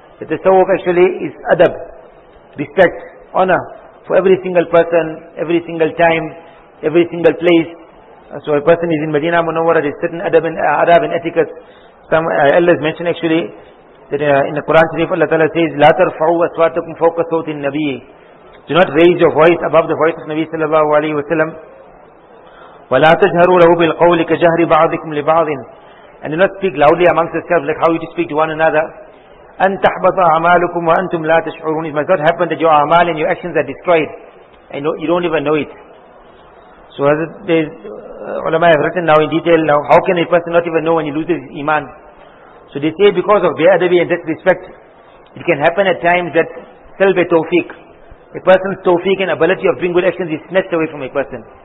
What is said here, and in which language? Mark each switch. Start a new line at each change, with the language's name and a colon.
English: At-tasawuf actually is adab, respect, honor, for every single person, every single time, every single place. So a person is in Medina Munawwara, there's certain adab and etiquette. Some elders mentioned actually, that in the Quran Sharif Allah Ta'ala says,
Arabic: لا ترفعوا أصواتكم فوق صوت النبي.
English: Do not raise your voice above the voice of Nabi Sallallahu Alaihi Wasallam.
Arabic: ولا تجهروا له بالقول كجهر بعضكم لبعض.
English: And do not speak loudly amongst yourselves like how you speak to one another.
Arabic: أن تحبط أعمالكم وأنتم لا تشعرون.
English: It must not happen that your أعمال and your actions are destroyed and you don't even know it. So ulama have written now in detail, now how can a person not even know when he loses his iman? So they say because of bi'adabi and disrespect, it can happen at times that sal bi tawfiq, a person's tawfiq and ability of doing good actions is snatched away from a person.